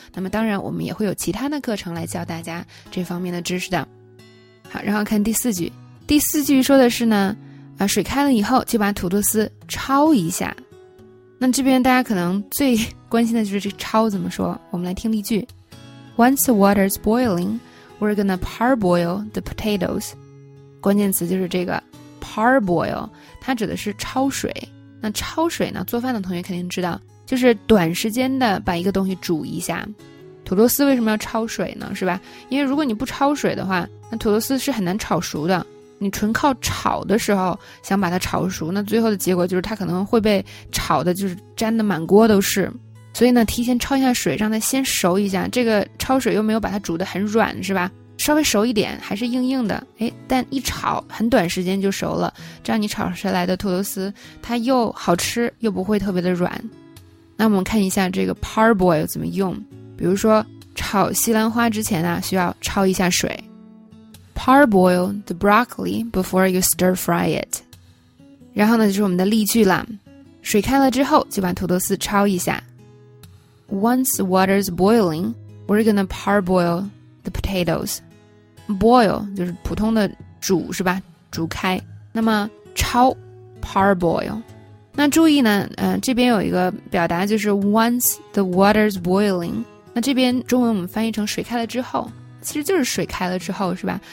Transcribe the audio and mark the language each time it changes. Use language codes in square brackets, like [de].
[zh] 那么当然，我们也会有其他的课程来教大家这方面的知识的。好，然后看第四句。第四句说的是呢，水开了以后就把土豆丝焯一下。那这边大家可能最关心的就是这焯怎么说，我们来听例句。 [en] Once the water is boiling, we're gonna parboil the potatoes. [zh] 关键词就是这个 parboil, 它指的是焯水。那焯水呢，做饭的同学肯定知道，就是短时间的把一个东西煮一下。土豆丝为什么要焯水呢，是吧？因为如果你不焯水的话，那土豆丝是很难炒熟的。你纯靠炒的时候想把它炒熟，那最后的结果就是它可能会被炒的就是粘的满锅都是。所以呢，提前焯一下水，让它先熟一下。这个焯水又没有把它煮得很软，是吧？稍微熟一点还是硬硬的，哎，但一炒很短时间就熟了。这样你炒出来的土豆丝它又好吃又不会特别的软。那我们看一下这个 parboil 怎么用。比如说炒西兰花之前啊，需要焯一下水。 [en] Parboil the broccoli before you stir fry it. [zh] 然后呢，就是我们的例句了。水开了之后，就把土豆丝焯一下。 [en] Once the water is boiling, we're gonna parboil the potatoes. [zh] Boil 就是普通的煮，是吧？煮开。那么焯 parboil。那注意呢，这边有一个表达就是 [en] once the water is boiling。 [zh] 那这边中文我们翻译成水开了之后。其实就是水开了之后，是吧？